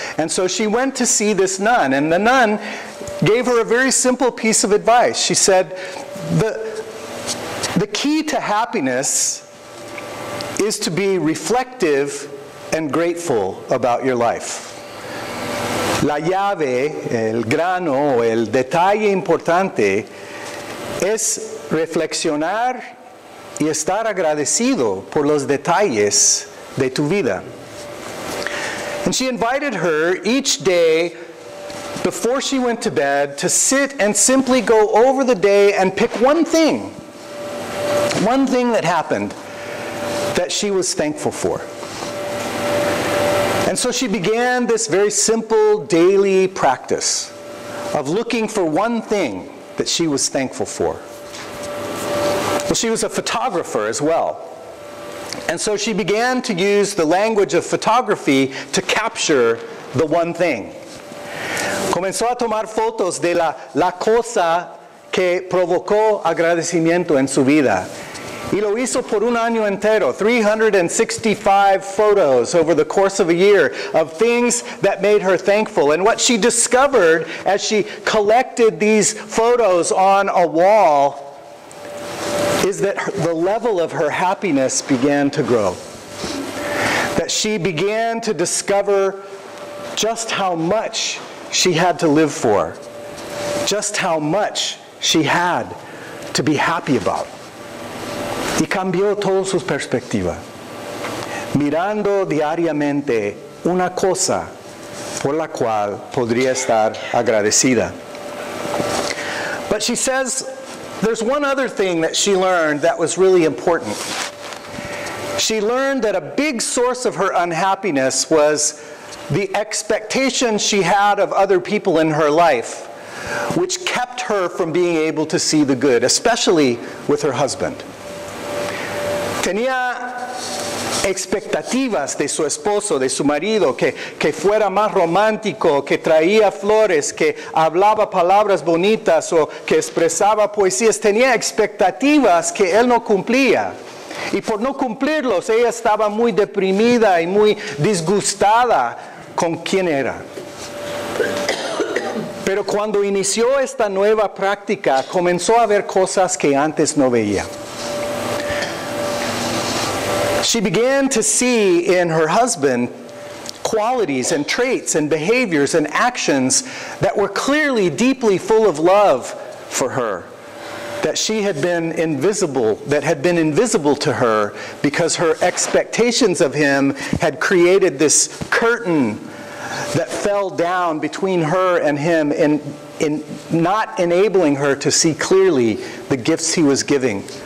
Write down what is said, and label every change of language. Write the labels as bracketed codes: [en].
[en] And so she went to see this nun. And the nun gave her a very simple piece of advice. She said, the key to happiness is to be reflective and grateful about your life. [es] La llave, el grano, el detalle importante es reflexionar y estar agradecido por los detalles de tu vida. [en] And she invited her each day before she went to bed to sit and simply go over the day and pick one thing that happened that she was thankful for. And so she began this very simple daily practice of looking for one thing that she was thankful for. Well, she was a photographer as well. And so she began to use the language of photography to capture the one thing. [es] Comenzó a tomar fotos de la cosa que provocó agradecimiento en su vida. Y lo hizo por un año entero, [en] 365 photos over the course of a year of things that made her thankful. And what she discovered as she collected these photos on a wall is that the level of her happiness began to grow. That she began to discover just how much she had to live for, just how much she had to be happy about. [es] Y cambió toda su perspectiva, mirando diariamente una cosa por la cual podría estar agradecida. [en] But she says there's one other thing that she learned that was really important. She learned that a big source of her unhappiness was the expectations she had of other people in her life, which kept her from being able to see the good, especially with her husband. [es] Tenía expectativas de su esposo, de su marido, que fuera más romántico, que traía flores, que hablaba palabras bonitas o que expresaba poesías. Tenía expectativas que él no cumplía. Y por no cumplirlos, ella estaba muy deprimida y muy disgustada con quién era. Pero cuando inició esta nueva práctica, comenzó a ver cosas que antes no veía. [en] She began to see in her husband qualities and traits and behaviors and actions that were clearly deeply full of love for her, that she had been invisible, that had been invisible to her because her expectations of him had created this curtain that fell down between her and him in not enabling her to see clearly the gifts he was giving.